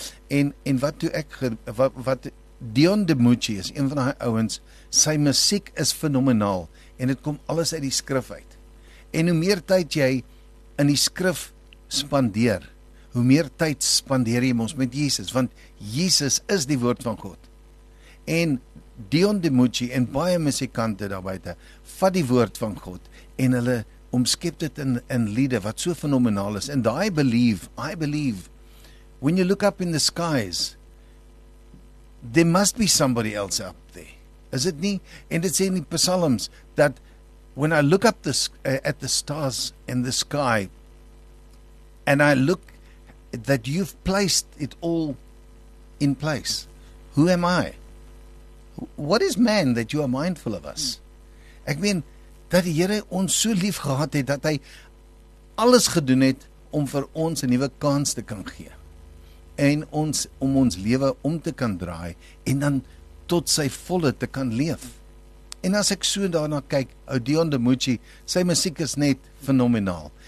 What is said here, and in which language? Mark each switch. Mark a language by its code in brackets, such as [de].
[af] En wat toe ek, wat Dion de Mucci is, een van die ouens, sy musiek is fenomenaal en het kom alles uit die skrif uit. En hoe meer tyd jy in die skrif spandeer, hoe meer tyd spandeer jy ons met Jesus, want Jesus is die woord van God. En Dion de Mucci en baie musikante daarbuiten, vat die woord van God en hulle omskep dit in liede wat so fenomenaal is. [en] And I believe, when you look up in the skies, there must be somebody else up there. Is it nie? [af] En dit sê in die psalms, dat [en] when I look up this at the stars in the sky, and I look that you've placed it all in place, who am I? What is man that you are mindful of us? [af] Ek meen, dat die Here ons so lief gehad het, dat hy alles gedoen het om vir ons 'n nuwe kans te kan gee. En ons om ons lewe om te kan draai en dan tot sy volle te kan leef. En as ek so daarna kyk, ou Dion de Mucci, sy musiek is net fenomenaal.